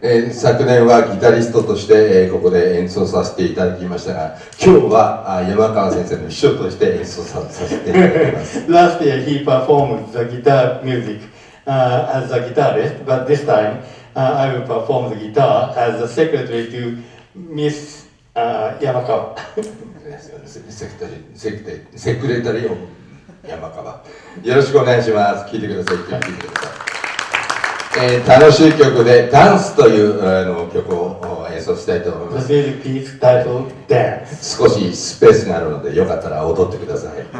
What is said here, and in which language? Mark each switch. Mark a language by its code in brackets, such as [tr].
[ja] 昨年はギタリストとしてここで演奏させていただきましたが、今日は山川先生の秘書として演奏させていただきます。 [en] Last year he performed the guitar music as a guitarist, but this time I will perform the guitar as a secretary to Miss山川。 [ja] セクレタリオン山川、よろしくお願いします。聴いてください。聴いてください。楽しい曲で「ダンス」という曲を演奏したいと思います。 [en] The music piece titled Dance. [ja] 少しスペースがあるのでよかったら踊ってください。